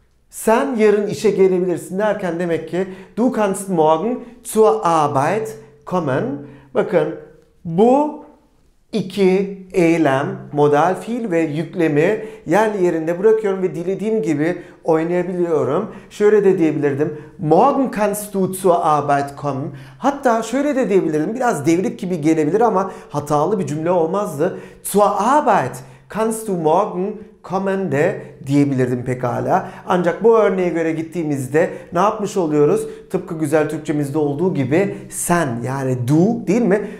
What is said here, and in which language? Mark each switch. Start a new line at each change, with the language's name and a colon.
Turkish: Sen yarın işe gelebilirsin derken demek ki
German: du kannst morgen zur Arbeit kommen.
Turkish: Bakın bu iki eylem, modal fiil ve yüklemi yerli yerinde bırakıyorum ve dilediğim gibi oynayabiliyorum. Şöyle de diyebilirdim.
German: Morgen kannst du zur Arbeit kommen.
Turkish: Hatta şöyle de diyebilirdim. Biraz devrik gibi gelebilir ama hatalı bir cümle olmazdı.
German: Zur Arbeit kannst du morgen kommen
Turkish: de diyebilirdim pekala. Ancak bu örneğe göre gittiğimizde ne yapmış oluyoruz? Tıpkı güzel Türkçemizde olduğu gibi sen, yani du değil mi?